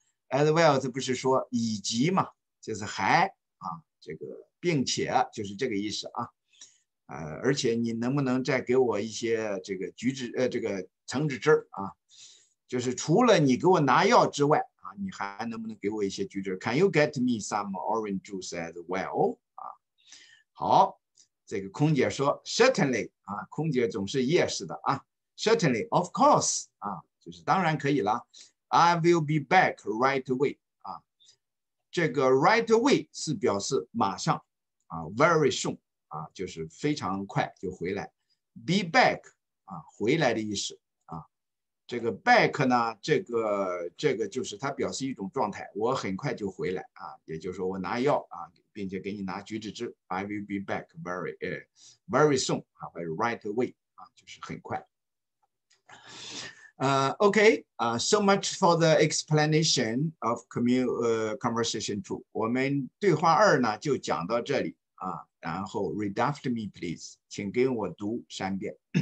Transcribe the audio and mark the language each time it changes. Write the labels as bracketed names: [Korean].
[English] as well [Chinese] 这不是说以及嘛，就是还这个并且就是这个意思而且你能不能再给我一些这个橘子这个橙子汁就是除了你给我拿药之外你还能不能给我一些橘子 ？ [English] Can you get me some orange juice as well？ [Chinese] 好。这个空姐说 [English] certainly [Chinese] 空姐总是 yes 的 [English] certainly of course [Chinese] 就是当然可以了。 [English] I will be back right away 这个 right away [Chinese] 是表示马上 [English] very soon [Chinese] 就是非常快就回来。 [English] be back [Chinese] 回来的意思这个 back 呢，这个就是它表示一种状态，我很快就回来也就是说我拿药并且给你拿橘子汁。 [English] I will be back very soon or right away [Chinese] 就是很快。 [English] So much for the explanation of conversation two. [Chinese] 我们对话二呢就讲到这里然后 [English] read after me please， [Chinese] 请跟我读三遍。